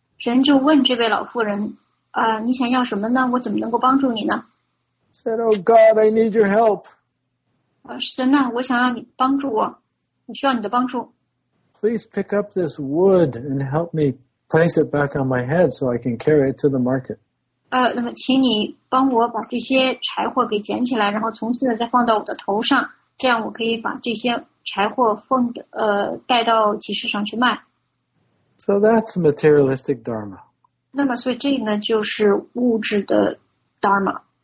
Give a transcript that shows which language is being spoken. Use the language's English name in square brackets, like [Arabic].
[Chinese] 神就问这位老妇人，啊，你想要什么呢？我怎么能够帮助你呢？ [English] Said, "Oh God, I need your help." [Chinese] 神呐，我想要你帮助我，我需要你的帮助。 [English] Please pick up this wood and help me place it back on my head so I can carry it to the market. [Chinese] 那么请你帮我把这些柴火给捡起来，然后从此再放到我的头上，这样我可以把这些柴火奉带到集市上去卖。 [English] So that's materialistic dharma. [Chinese] 那么所以这呢就是物质的 dharma.